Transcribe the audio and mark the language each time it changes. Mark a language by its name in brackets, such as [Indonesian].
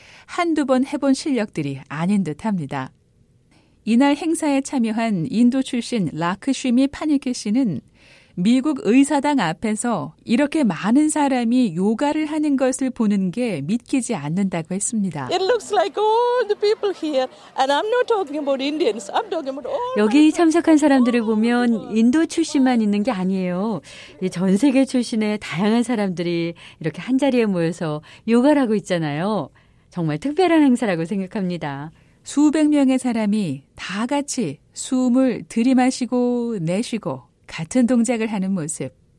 [Korean] 한두 번 해본 실력들이 아닌 듯합니다. 이날 행사에 참여한 인도 출신 라크쉬미 파니케 씨는 미국 의사당 앞에서 이렇게 많은 사람이 요가를 하는 것을 보는 게 믿기지 않는다고 했습니다. [English] It looks like all the people here and I'm not talking about Indians. I'm talking about all [Korean] 여기 참석한 사람들을 보면 인도 출신만 있는 게 아니에요. 전 세계 출신의 다양한 사람들이 이렇게 한 자리에 모여서 요가를 하고 있잖아요. 정말 특별한 행사라고 생각합니다. 수백 명의 사람이 다 같이 숨을 들이마시고 내쉬고 같은 동작을 하는 모습.